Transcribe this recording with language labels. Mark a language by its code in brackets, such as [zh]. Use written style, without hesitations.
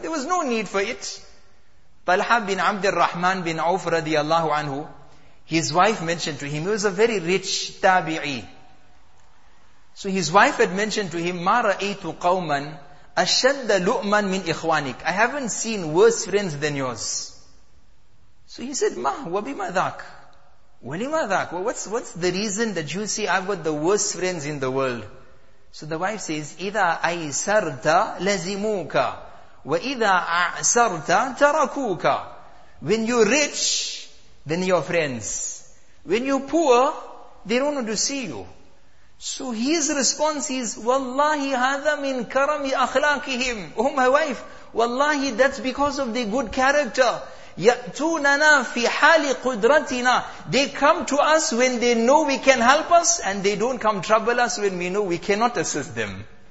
[en] There was no need for it. Talha bin Abdul Rahman bin Auf radiallahu anhu, his wife mentioned to him, he was a very rich tabi'i. So his wife had mentioned to him, [ar] مَا رَأَيْتُ قَوْمًا أَشَدَّ لُؤْمًا مِنْ إِخْوَانِكَ. [en] I haven't seen worse friends than yours. So he said, [ar] مَا وَبِمَا ذَاكَ وَلِمَا ذَاكَ. [en] What's the reason that you see I've got the worst friends in the world? So the wife says, [ar] إِذَا أَيْسَرْتَ لَزِمُوكَ وَإِذَا أَعْسَرْتَ تَرَكُوكَ. [en] When you're rich, then your friends. When you're poor, they don't want to see you. So his response is, [ar] Wallahi hadha min karami akhlaqihim. [en] Oh my wife, Wallahi that's because of their good character. [ar] Ya'tunana fi hali qudratina. [en] They come to us when they know we can help us, and they don't come trouble us when we know we cannot assist them.